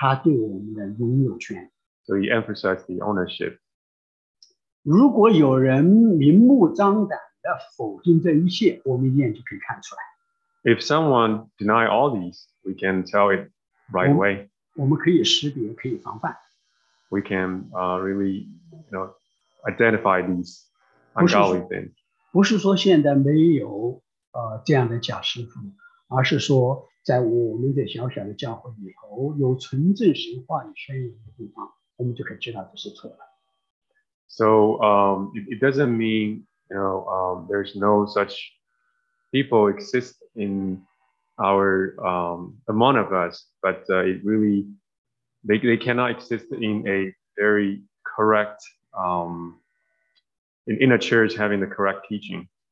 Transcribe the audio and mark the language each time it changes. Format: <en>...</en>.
<zh>他就是强调他的尊荣，他的神性，他对我们的主权，他对我们的拥有权。So</zh> <en>he emphasized the ownership.</en> <zh>如果有人明目张胆的否定这一切，我们一眼就可以看出来。If</zh> <en>someone deny all these, we can tell it right away.</en> <zh>我们可以识别，可以防范。We</zh> <en>can really, you know, identify these ungodly things.</en> <zh>不是说现在没有这样的假师傅，而是说在我们的小小的教会里头有纯正神话语宣扬的地方，我们就可以知道这是错的。So</zh> <en>it doesn't mean, you know, there's no such people exist in our among of us, but it really They cannot exist in a very correct in a church having the correct teaching.</en>